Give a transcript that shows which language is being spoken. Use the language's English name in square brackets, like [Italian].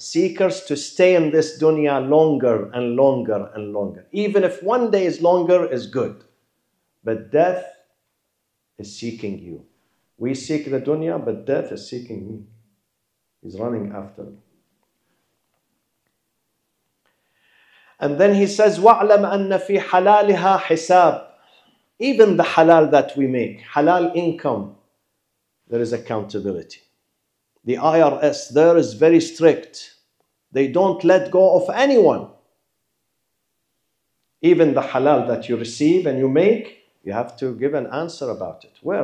[English] Seekers to stay in this dunya longer and longer and longer. Even if one day is longer, is good. But death is seeking you. We seek the dunya, but death is seeking me. He's running after me. And then he says, [Arabic] وَعْلَمْ أَنَّ فِي حَلَالِهَا حِسَابٍ. [English] Even the halal that we make, halal income, there is accountability. The IRS there is very strict. They don't let go of anyone. Even the halal that you receive and you make, you have to give an answer about it. Where?